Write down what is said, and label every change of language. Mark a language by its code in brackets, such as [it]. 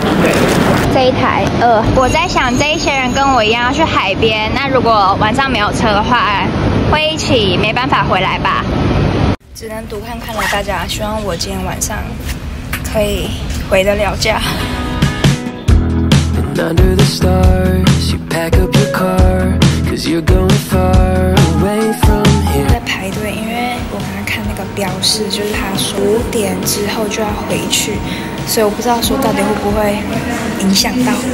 [zh] 对，这一台我在想这一些人跟我一样要去海边，那如果晚上没有车的话会一起没办法回来吧，只能读看看了。大家希望我今天晚上可以回得了家。 [en] And under the stars, you pack up your car, cause you're going far away from here. [zh] 在排队，因为我刚刚看那个标示，就是他说5点之后就要回去，所以我不知道说到底会不会影响到。